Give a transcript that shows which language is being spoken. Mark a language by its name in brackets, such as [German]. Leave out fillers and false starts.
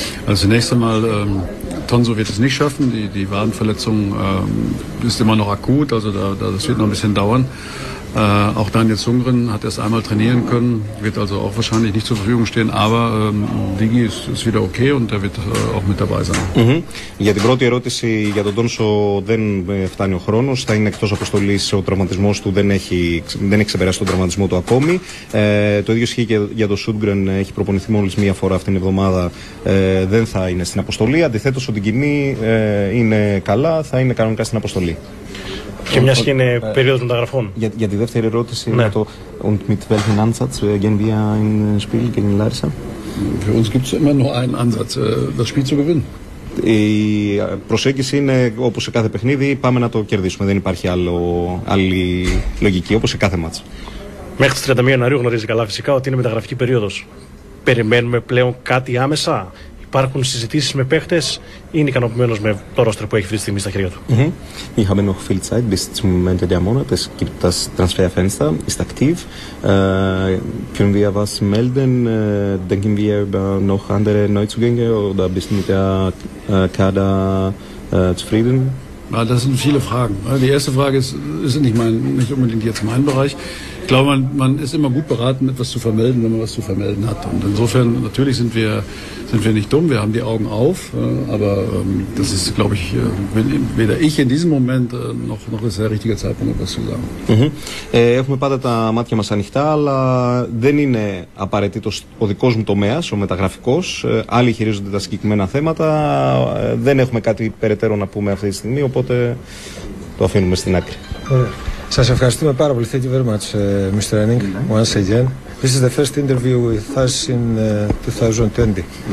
[German] Also zunächst einmal, Tonso wird es nicht schaffen. Die Wadenverletzung ist immer noch akut, also das wird noch ein bisschen dauern. Auch Daniel Sundgren hat erst einmal trainieren können, wird also auch wahrscheinlich nicht zur Verfügung stehen, aber Digi ist wieder okay und der wird auch mit dabei sein. Mhm. [Greek] Για την πρώτη ερώτηση, για τον Τόνσο δεν φτάνει ο χρόνος, θα είναι εκτός αποστολής, ο τραυματισμός του δεν έχει ξεπεράσει τον τραυματισμό του ακόμη. Το ίδιο ισχύει και για τον Sundgren, έχει προπονηθεί μόλις μία φορά αυτήν την εβδομάδα, δεν θα είναι στην αποστολή. Αντιθέτως, ο Ντιγκινί είναι καλά, θα είναι κανονικά στην αποστολή. Και μια και είναι περίοδο μεταγραφών. Για τη δεύτερη ερώτηση, ναι. Το [German] «Und mit welchen Ansatz gehen wir in Spiel gegen Larissa?» Für uns gibt es immer nur einen Ansatz, das Spiel zu gewinnen. [Greek] Η προσέγγιση είναι όπως σε κάθε παιχνίδι, πάμε να το κερδίσουμε. Δεν υπάρχει άλλη λογική, όπως σε κάθε μάτς. Μέχρι τις 31 Ιανουαρίου γνωρίζει καλά φυσικά ότι είναι μεταγραφική περίοδος. Περιμένουμε πλέον κάτι άμεσα? Υπάρχουν συζητήσεις με παίχτες? Είναι ικανοποιημένος με το ρόστερ που έχει αυτή τη στιγμή στα χέρια του? Mm-hmm. Είχαμε [German] noch viel Zeit bis zum Ende der Monate. Es gibt das Transferfenster, ist aktiv. Können wir was melden? Denken wir über noch andere Neuzugänge oder bist du mit der Kader zufrieden? Ja, das sind viele Fragen. Die erste Frage ist nicht unbedingt jetzt mein Bereich. Ich glaube, man ist immer gut beraten, etwas zu vermelden, wenn man was zu vermelden hat. Und insofern, natürlich sind wir nicht dumm, wir haben die Augen auf. Aber das ist, glaube ich, weder ich in diesem Moment noch ist der richtige Zeitpunkt, etwas zu sagen. Mm-hmm. [Greek] Έχουμε πάντα τα μάτια μας ανοιχτά, αλλά δεν είναι απαραίτητος ο δικός μου τομέας, ο μεταγραφικός. Άλλοι χειρίζονται τα συγκεκριμένα θέματα. Δεν έχουμε κάτι περαιτέρω να πούμε αυτή τη στιγμή, οπότε το αφήνουμε στην άκρη. Σας ευχαριστούμε πάρα πολύ. [English] Thank you very much, Mr. Ening, once again. This is the first interview with us in 2020.